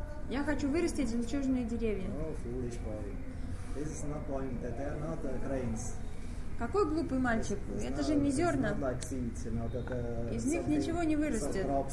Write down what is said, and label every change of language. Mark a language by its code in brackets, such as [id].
[ru] Я хочу вырастить жемчужные деревья. [en] Oh, this is not going, that they are not grains. [ru] Какой глупый мальчик, это же не зерна. [en] Like seeds, you know, that, [ru] из них ничего не вырастет.